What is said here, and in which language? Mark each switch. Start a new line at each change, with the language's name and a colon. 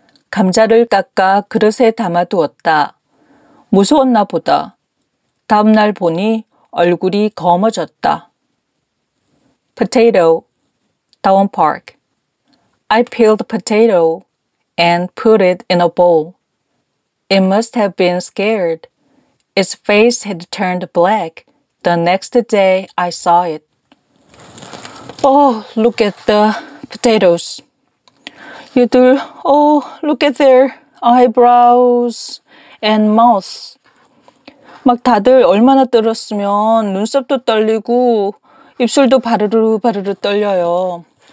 Korean: 감자를 깎아 그릇에 담아두었다. 무서웠나 보다. 다음 날 보니 얼굴이 검어졌다.
English: Potato, Town Park. I peeled a potato and put it in a bowl. It must have been scared. Its face had turned black the next day I saw it. Oh, look at the potatoes.
Korean: 얘들,
English: oh, look at their eyebrows and mouths.
Korean: 막 다들 얼마나 떨었으면 눈썹도 떨리고 입술도 바르르 바르르 떨려요.